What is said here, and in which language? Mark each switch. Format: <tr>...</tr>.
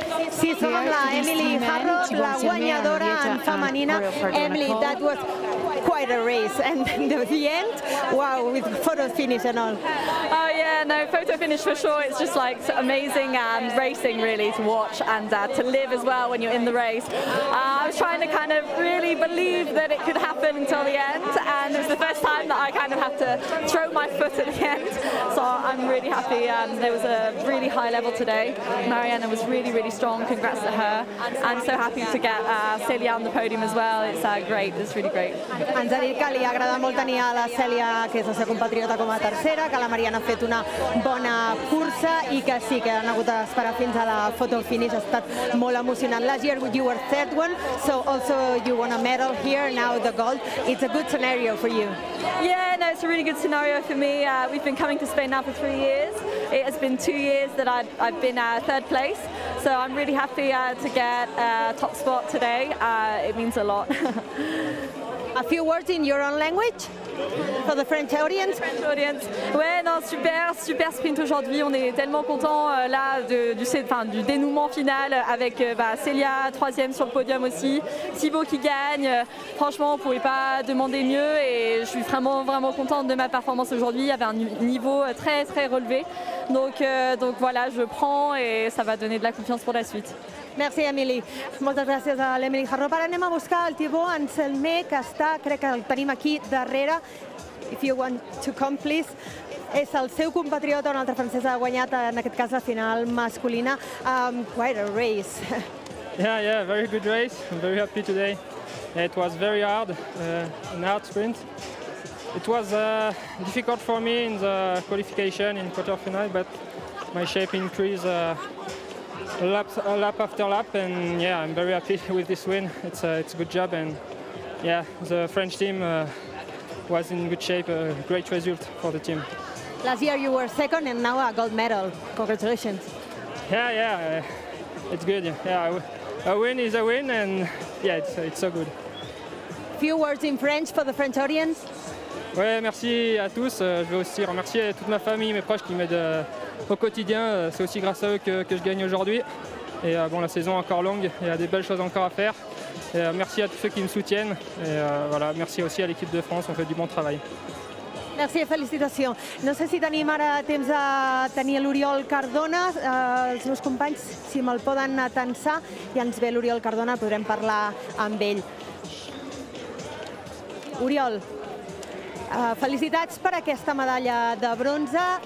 <ca>Sí, somos la Emily Harrod, la guañadora femenina.</ca> <en>Emily, that was quite a race. And the end, wow, with photo finish and all. Oh, yeah, no, photo finish for sure. It's just like amazing racing, really, to watch and to live as well when you're in the race. I was trying to kind of really believe that it could happen until the end. And it was the first time that I kind of had to throw my foot at the end. So I'm really happy. There was a really high level today. Mariana was really, really strong. Congrats to her. I'm so happy to get Celia on the podium as well. It's great. It's really great.</en> <ca>Ens ha dit que li agrada molt tenir a la Cèlia, que és la seva compatriota, com a tercera, que la Mariana ha fet una bona cursa I que sí, que han hagut d'esperar fins a la photo finish. Ha estat molt emocionant.</ca> <en>Last year you were third one, so also you won a medal here, now the gold. It's a good scenario for you. Yeah, no, it's a really good scenario for me. We've been coming to Spain now for 3 years. It has been 2 years that I've been third place, so I'm really happy to get a top spot today. It means a lot. A few words in your own language for the French audience. French audience.</en> <fr>Ouais, non, super, super sprint aujourd'hui. On est tellement contents là du dénouement final avec Célia, troisième sur le podium aussi. Thibaut qui gagne. Franchement, on ne pouvait pas demander mieux et je suis vraiment, vraiment contente de ma performance aujourd'hui. Il y avait un niveau très, très relevé. Donc voilà, je prends et ça va donner de la confiance pour la suite. Merci, Emily.</fr> <ca>Moltes gràcies a l'Emily Harrop. Ara anem a buscar el Thibaut Anselme, que està, crec que el tenim aquí darrere.</ca> <en>If you want to come, please.</en> <ca>És el seu compatriota, una altra francesa, ha guanyat, en aquest cas, la final masculina.</ca> <en>Quite a race. Yeah, very good race. I'm very happy today. It was very hard, an hard sprint. It was difficult for me in the qualification, in quarterfinal, but my shape increased. Lap after lap, and yeah, I'm very happy with this win. It's a good job, and yeah, the French team was in good shape. A great result for the team. Last year you were second, and now a gold medal. Congratulations. Yeah, it's good. Yeah, a win is a win, and yeah, it's so good. Few words in French for the French audience.</en> <fr>Ouais, merci à tous. Je veux aussi remercier toute ma famille, mes proches qui m'aident au quotidien. C'est aussi grâce à eux que je gagne aujourd'hui. Et bon, la saison est encore longue, il y a des belles choses encore à faire. Et merci à tous ceux qui me soutiennent. Et voilà, merci aussi à l'équipe de France, on fait du bon travail. Merci, félicitations.</fr> <ca>No sé si tenim ara temps de tenir l'Oriol Cardona, els meus companys, si me'l poden atensar, ja ens ve l'Oriol Cardona, podrem parlar amb ell. Oriol, felicitats per aquesta medalla de bronze.</ca>